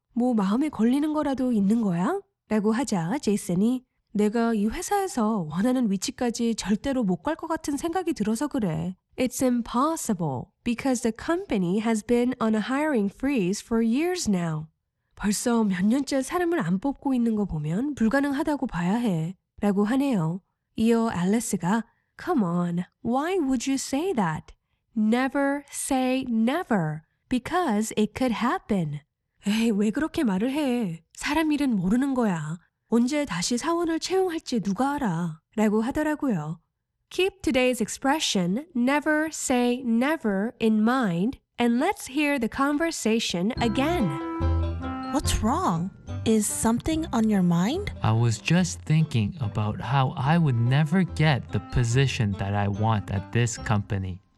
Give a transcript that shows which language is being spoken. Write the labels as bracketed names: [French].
[Korean] 뭐 마음에 걸리는 거라도 있는 거야? 라고 하자 제이슨이 내가 이 회사에서 원하는 위치까지 절대로 못 갈 것 같은 생각이 들어서 그래. [English] It's impossible because the company has been on a hiring freeze for years now. [Korean] 벌써 몇 년째 사람을 안 뽑고 있는 거 보면 불가능하다고 봐야 해 라고 하네요. 이어 앨리스가 [English] Come on, why would you say that? Never say never because it could happen. [Korean] 에이, 왜 그렇게 말을 해? 사람 일은 모르는 거야. 언제 다시 사원을 채용할지 누가 알아 라고 하더라고요. [English] Keep today's expression never say never in mind and let's hear the conversation again. What's wrong? Is something on your mind? I was just thinking about how I would never get the position that I want at this company.